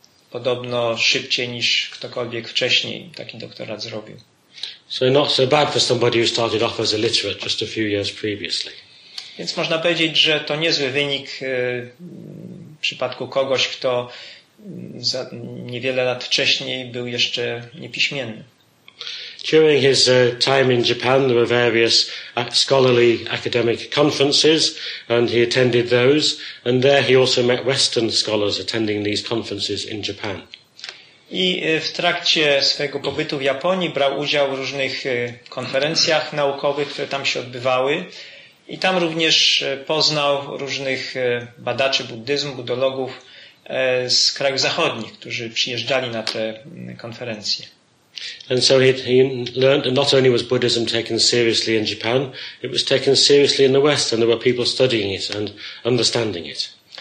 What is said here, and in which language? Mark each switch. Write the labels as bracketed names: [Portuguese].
[Polish] Podobno szybciej niż ktokolwiek wcześniej taki doktorat zrobił. [English] So not so bad for somebody who started off as illiterate just a few years previously. [Polish] Więc można powiedzieć, że to niezły wynik w przypadku kogoś, kto za niewiele lat wcześniej był jeszcze niepiśmienny. [English] During his time in Japan, there were various scholarly academic conferences, and he attended those. And there he also met Western scholars attending these conferences in Japan. [Polish] I w trakcie swojego pobytu w Japonii brał udział w różnych konferencjach naukowych, które tam się odbywały. I tam również poznał różnych badaczy buddyzmu, budologów z krajów zachodnich, którzy przyjeżdżali na te konferencje. [English] And so he learned that not only was Buddhism taken seriously in Japan, it was taken seriously in the West, and there were people studying it and understanding it.